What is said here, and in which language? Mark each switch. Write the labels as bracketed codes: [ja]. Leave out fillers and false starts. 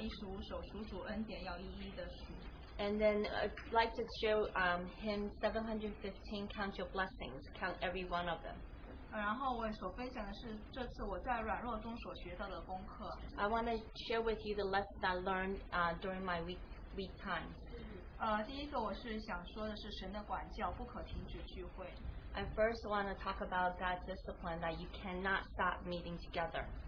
[zh] 首先我特别喜欢诗歌的715首，数主恩典要一一的数。 [en] And then I'd like to show hymn 715, Count Your Blessings, Count Every One of Them. [zh] 然后我所分享的是这次我在软弱中所学到的功课。 [en] I want to share with you the lessons I learned during my weak time. [zh] 第一个我是想说的是神的管教，不可停止聚会。 [en] I first want to talk about God's discipline that you cannot stop meeting together.